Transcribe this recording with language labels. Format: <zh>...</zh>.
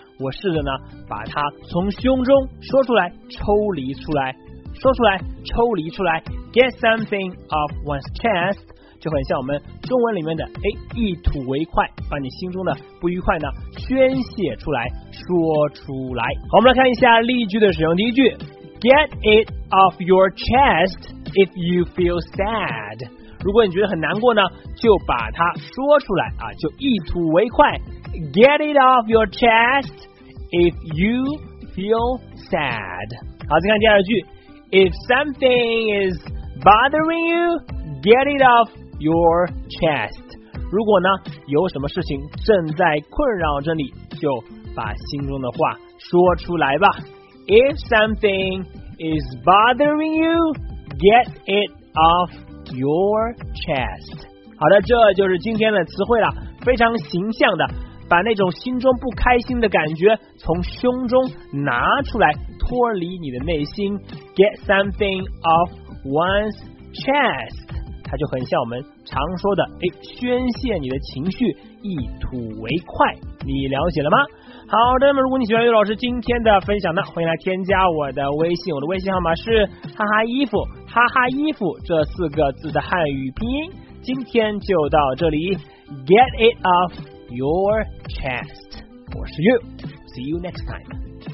<zh>我试着呢把它从胸中说出来，抽离出来，说出来，抽离出来，</zh> <en>get something off one's chest</en> <zh>就很像我们中文里面的一吐为快，把你心中的不愉快呢宣泄出来，说出来。好，我们来看一下例句的使用。第一句，</zh> <en>Get it off your chest if you feel sad.</en> <zh>如果你觉得很难过呢，就把它说出来啊，就一吐为快。</zh> <en>Get it off your chest if you feel sad.</en> <zh>好，再看第二句。</zh> <en>If something is bothering you, get it off your chest.</en> <zh>如果呢，有什么事情正在困扰着你，就把心中的话说出来吧。</zh> <en>If something is bothering you, get it off your chest.</en> <zh>好的，这就是今天的词汇了，非常形象的，把那种心中不开心的感觉从胸中拿出来，脱离你的内心。</zh> <en>Get something off one's chest.</en> <zh>它就很像我们常说的，宣泄你的情绪，一吐为快。你了解了吗？好的，那么如果你喜欢于老师今天的分享呢，欢迎来添加我的微信，我的微信号码是哈哈衣服，哈哈衣服这四个字的汉语拼音。今天就到这里，</zh> <en>Get it off your chest.</en> <zh>我是</zh> <en>You, see you next time.</en>